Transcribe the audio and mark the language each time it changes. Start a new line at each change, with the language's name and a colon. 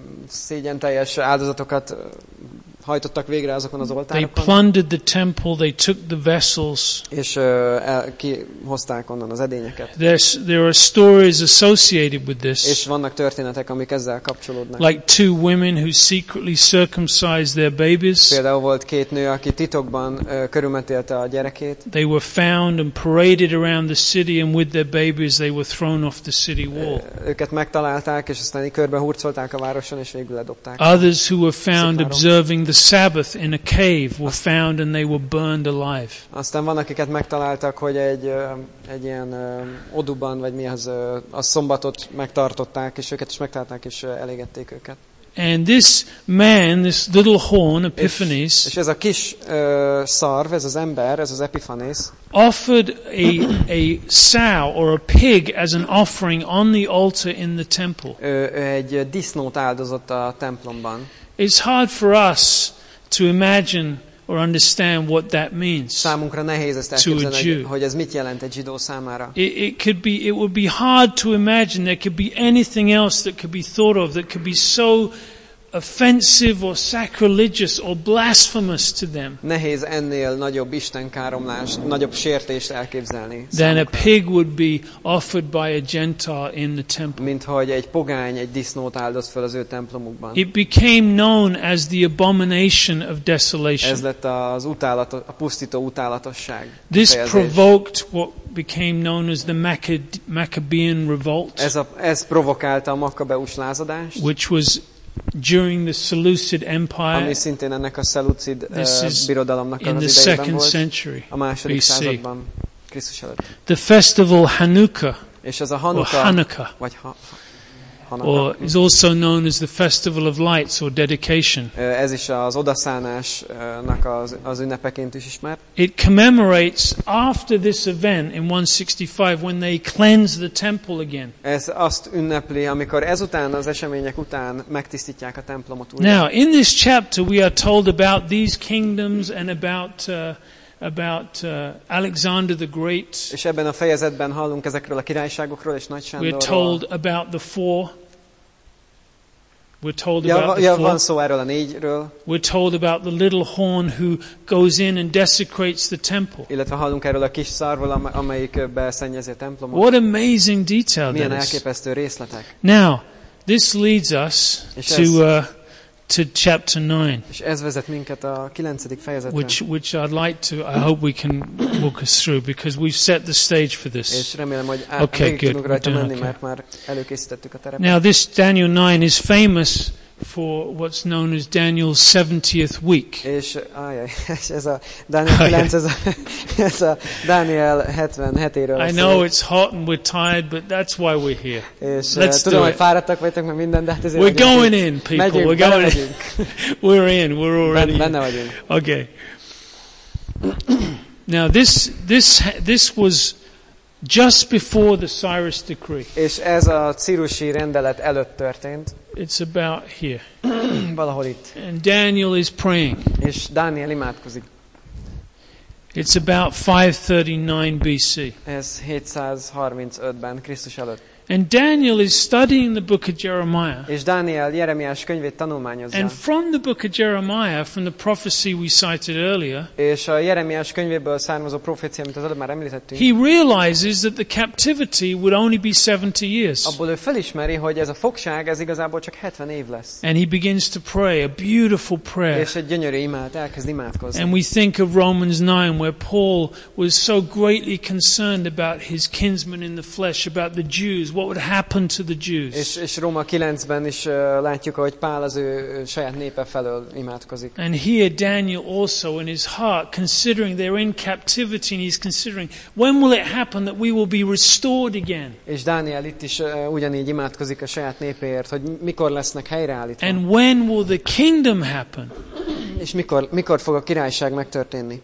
Hungarian: Szégyenteljes áldozatokat hajtottak végre azokon az oltárokon.
English: They plundered the temple, they took the vessels.
Hungarian: És kihozták onnan az edényeket.
English: There are stories associated with this.
Hungarian: És vannak történetek, amik ezzel kapcsolódnak.
English: Like two women who secretly circumcised their babies.
Hungarian: Például volt két nő, aki titokban körülmetélte a gyerekét.
English: They were found and paraded around the city and with their babies they were thrown off the city wall.
Hungarian: Őket megtalálták és aztán körbe hurcolták a városon és végül ledobták.
English: Others who were found observing the Sabbath in a cave were found and they were burned alive.
Hungarian: Aztán van, akiket megtaláltak, hogy egy ilyen oduban, vagy mi az, a szombatot megtartották, és őket is megtalálták, és elégették őket.
English: And this man, this little horn, Epiphanes,
Hungarian: és ez a kis szarv, ez az ember, ez az Epiphanes,
English: offered a sow or a pig as an offering on the altar in the temple.
Hungarian: Egy disznót áldozott a templomban.
English: It's hard for us to imagine or understand what that means.
Hungarian: Számunkra nehéz ezt elképzelni, hogy ez mit jelent egy zsidó számára.
English: It would be hard to imagine there could be anything else that could be thought of that could be so offensive or sacrilegious or blasphemous to them.
Hungarian: Nehéz ennél nagyobb istenkáromlást, nagyobb sértést elképzelni.
English: Than a pig would be offered by a Gentile in the temple.
Hungarian: Minthogy egy pogány egy disznót áldoz fel az ő templomukban.
English: It became known as the abomination of desolation.
Hungarian: Ez lett az utálat, a pusztító utálatosság.
English: This provoked what became known as the Maccabean revolt.
Hungarian: Ez provokálta a Makkabeus lázadást.
English: Which was during the Seleucid Empire.
Hungarian: Ami szintén ennek a Seleucid birodalomnak az idejében volt.
English: Second century,
Hungarian: a második században Krisztus előtt.
English: The festival Hanukkah.
Hungarian: És ez a Hanukkah. Hanukkah. Vagy
English: Or is also known as the Festival of Lights or Dedication.
Hungarian: Ez is az odaszánásnak az ünnepeként is ismert.
English: It commemorates after this event in 165 when they cleanse the temple again.
Hungarian: Ez azt ünnepli, amikor ezután az események után megtisztítják a templomot újra.
English: Now in this chapter we are told about these kingdoms and about Alexander the Great.
Hungarian: És ebben a fejezetben hallunk ezekről a királyságokról és Nagy Sándorról.
English: We're told about the four. We're told
Hungarian: van szó erről a négyről.
English: We're told about the little horn who goes in and desecrates the temple.
Hungarian: Illetve hallunk erről a kis szarról, amelyik beszennyezi a templomot.
English: What amazing detail this.
Hungarian: Milyen elképesztő részletek.
English: Now, this leads us to chapter 9.
Hungarian: És ez vezet minket a 9. fejezetre.
English: Which I'd like to, I hope we can walk us through because we've set the stage for this.
Hungarian: És remélem, hogy
English: okay, good.
Hungarian: Mert már előkészítettük a terepet.
English: Now this Daniel 9 is famous for what's known as Daniel's 70th week.
Hungarian: És ez a Daniel 9, ez a Daniel 70 hetéről.
English: I know it's hot and we're tired, but that's why we're here. Let's
Hungarian: tudom, hogy fáradtak vagytok, mert minden, de hát ezért
English: we're going in, people.
Hungarian: Megyünk,
English: we're going in. We're in. We're already in.
Hungarian: Benne vagyunk.
English: Okay. Now this was just before the Cyrus decree.
Hungarian: És ez a cirusi rendelet előtt történt.
English: It's about here.
Hungarian: Valahol itt.
English: And Daniel is praying.
Hungarian: És Dániel imádkozik.
English: It's about 539 BC.
Hungarian: Ez 735-ben Krisztus előtt.
English: And Daniel is studying the book of Jeremiah.
Hungarian: És Dániel Jeremiás könyvét tanulmányozza.
English: And from the book of Jeremiah, from the prophecy we cited earlier.
Hungarian: És a Jeremiás könyvéből származó prófécia, amit az előbb már említettünk.
English: He realizes that the captivity would only be 70 years.
Hungarian: Abból ő felismeri, hogy ez a fogság, ez igazából csak 70 év lesz.
English: And he begins to pray a beautiful prayer.
Hungarian: És egy gyönyörű imát elkezd imádkozni.
English: And we think of Romans 9 where Paul was so greatly concerned about his kinsmen in the flesh, about the Jews. What would happen to the Jews?
Hungarian: És Róma 9-ben is látjuk, hogy Pál az ő saját népe felől imádkozik.
English: And here Daniel also in his heart considering they're in captivity and he's considering when will it happen that we will be restored again?
Hungarian: És Dániel itt is ugyanígy imádkozik a saját népéért, hogy mikor lesznek helyreállítva.
English: And when will the kingdom happen?
Hungarian: És mikor fog a királyság megtörténni?